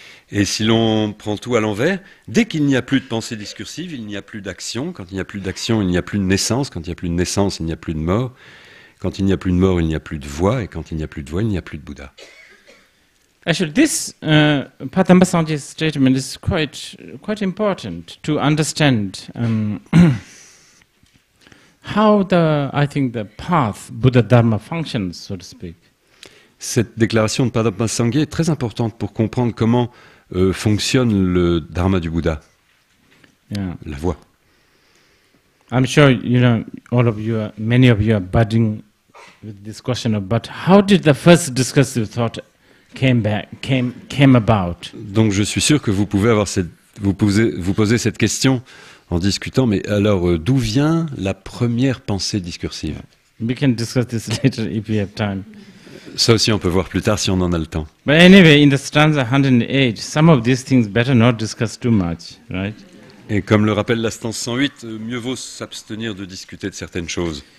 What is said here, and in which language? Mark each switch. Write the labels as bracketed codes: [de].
[fr] Et si l'on prend tout à l'envers, dès qu'il n'y a plus de pensée discursive, il n'y a plus d'action. Quand il n'y a plus d'action, il n'y a plus de naissance. Quand il n'y a plus de naissance, il n'y a plus de mort. Quand il n'y a plus de mort, il n'y a plus de voix. Et quand il n'y a plus de voix, il n'y a plus de Bouddha. [en] Actually, this Patambasanji's statement is quite important to understand how the path Buddha Dharma functions, so to speak. [fr] Cette déclaration de Padmasangha est très importante pour comprendre comment fonctionne le dharma du Bouddha, [en] yeah. [fr] La voie. [en] I'm sure you know all of you, many of you are budding with this question of, but how did the first discursive thought came about? [fr] Donc je suis sûr que vous pouvez avoir vous poser cette question en discutant, mais alors d'où vient la première pensée discursive? [en] We can discuss this later if we have time. [fr] Ça aussi, on peut voir plus tard si on en a le temps. [en] But anyway, in the stanza 108, some of these things better not discuss too much, right? [fr] Et comme le rappelle la stanza 108, mieux vaut s'abstenir de discuter de certaines choses.